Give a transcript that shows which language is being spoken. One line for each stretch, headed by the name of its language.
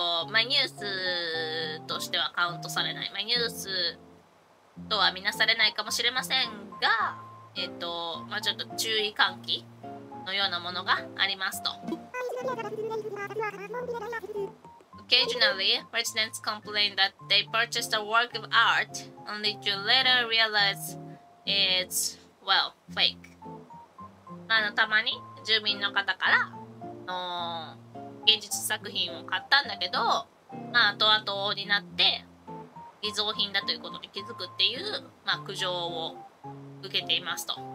Japanese: まあ、ニュースとしてはカウントされない、まあ、ニュースとは見なされないかもしれませんが、まあ、ちょっと注意喚起のようなものがありますと。
English: Occasionally, residents complain that they purchased a work of art only to later realize it's, well, fake.
Japanese: あの、たまに住民の方からの芸術作品を買ったんだけど、まあ、後々になって偽造品だということに気づくっていう、まあ、苦情を受けていますと。